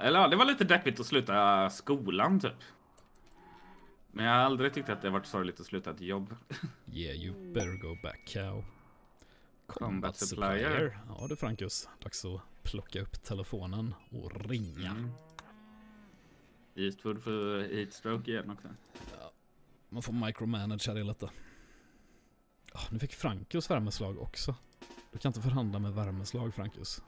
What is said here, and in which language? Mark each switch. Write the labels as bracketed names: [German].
[Swedish] Det var lite deppigt att sluta skolan typ. Men jag har aldrig tyckt att det har varit sorgligt att sluta ett jobb. [English] Yeah, you better go back cow. Combat supplier. [Swedish] Ja du Frankus, dags att plocka upp telefonen och ringa. Eastwood för heatstroke igen också. Ja, Man får micromanage här i lite. Oh, nu fick Frankus värmeslag också. Du kan inte förhandla med värmeslag, Frankus.